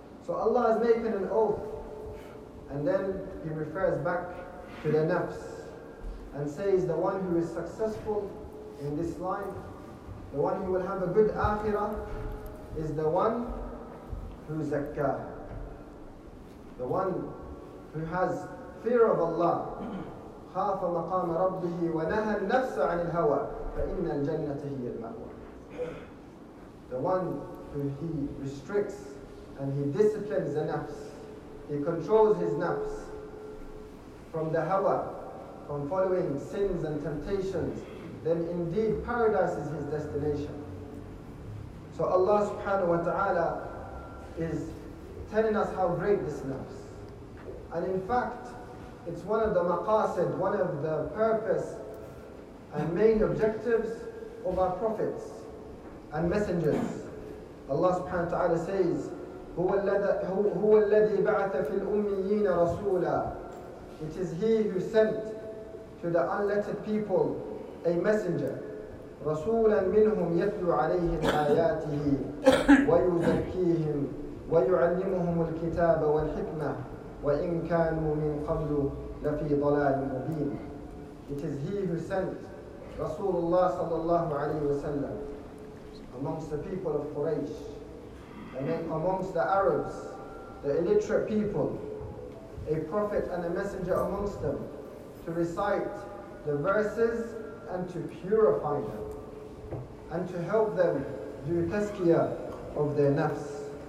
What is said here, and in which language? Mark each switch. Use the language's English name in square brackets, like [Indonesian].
[English] So Allah is making an oath, and then he refers back to the nafs and says, the one who is successful in this life, the one who will have a good akhirah, is the one who zakkah, the one who has fear of Allah. [Arabic] خاف مقام ربه ونهى النفس عن الهوى فإن الجنة هي المأوى. [English] The one who he restricts and he disciplines the nafs, he controls his nafs from the hawa, from following sins and temptations, then indeed paradise is his destination. So Allah subhanahu wa ta'ala is telling us how great this nafs. And in fact, it's one of the maqasid, one of the purpose and main objectives of our prophets and messengers. Allah subhanahu wa ta'ala says, [Arabic] هُوَ الَّذِي بَعَثَ فِي الْأُمِّيِّينَ رَسُولًا. [English] It is he who sent to the unlettered people a messenger. [Arabic] رَسُولًا مِّنْهُمْ يَتْلُو عَلَيْهِمْ آيَاتِهِ وَيُزَكِّيهِمْ وَيُعَلِّمُهُمُ الْكِتَابَ وَالْحِكْمَةِ وَإِنْ كَانُوا مِنْ قَبْلُ لَفِي ضَلَالٍ مُبِينٍ. [English] It is he who sent Rasulullah sallallahu alayhi wa sallam, amongst the people of Quraysh, amongst the Arabs, the illiterate people, a prophet and a messenger amongst them, to recite the verses and to purify them, and to help them do tazkiyah of their nafs.